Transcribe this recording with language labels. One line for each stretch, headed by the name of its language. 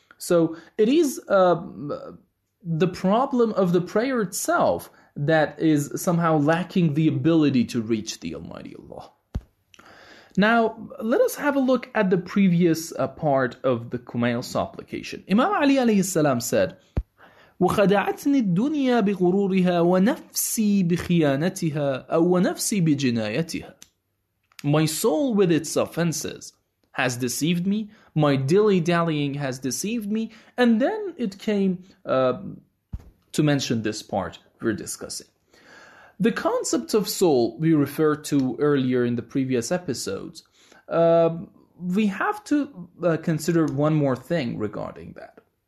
English: So it is the problem of the prayer itself that is somehow lacking the ability to reach the Almighty Allah. Now, let us have a look at the previous part of the Kumail supplication. Imam Ali alayhi salam said,
Arabic: وَخَدَعَتْنِ الدُّنْيَا بِغُرُورِهَا وَنَفْسِي بِخِيَانَتِهَا أَوْ وَنَفْسِي بِجِنَايَتِهَا.
English: My soul with its offenses has deceived me, my dilly-dallying has deceived me, and then it came to mention this part we're discussing. The concept of soul we referred to earlier in the previous episodes, we have to consider one more thing regarding that.